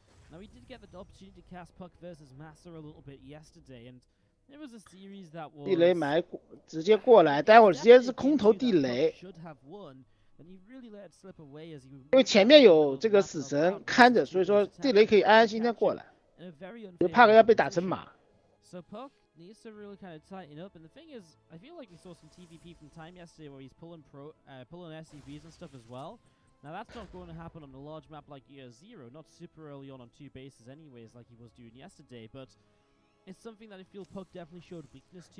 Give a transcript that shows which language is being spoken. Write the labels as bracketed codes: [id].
[en] Now he did get the opportunity to cast Puck versus Master a little bit yesterday, and it was a series that was. [zh] 地雷埋直接过来，待会儿直接是空投地雷。因为前面有这个死神看着，所以说地雷可以安安心心过来。就怕要被打成马。 [en] So Puck needs to really kind of tighten up, and the thing is, I feel like we saw some TVP from Time yesterday where he's pulling SCVs and stuff as well. Now that's not going to happen on a large map like Year Zero, not super early on two bases anyways like he was doing yesterday, but it's something that I feel Puck definitely showed weakness to.